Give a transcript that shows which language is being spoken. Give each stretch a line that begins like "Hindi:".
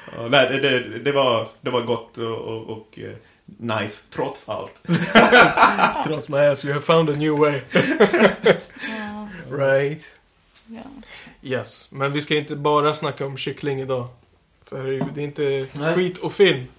Swedish: Nej, det var gott och nice, trots allt. Trots
English: my ass, you have found a new way. Right.
Swedish: Ja. Yes, men vi ska inte bara snacka om kyckling idag. För det är inte skit och film.